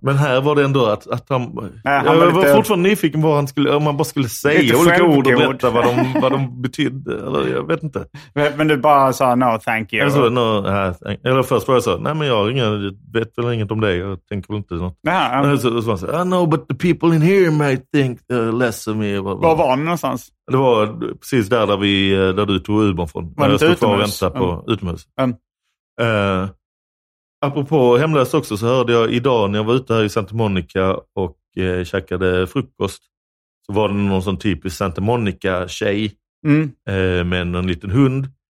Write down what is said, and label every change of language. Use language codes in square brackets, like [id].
[sv] Men här var det ändå att han... Jag var fortfarande nyfiken på om han bara skulle säga olika ord och berätta vad de betydde. Eller, jag vet inte. Men du bara sa [en] no, thank you. [sv] Alltså, no, eller först var jag så, nej, men jag vet väl inget om det. Jag tänker väl inte något. Så [en] I know, but the people in here might think less of me. [sv] Var var ni någonstans? Det var precis där du tog Uber från. Var jag stod och vänta på utomhus. Apropå hemlös också, så hörde jag idag när jag var ute här i Santa Monica och käkade frukost. Så var det någon sån typisk Santa Monica-tjej med en liten hund.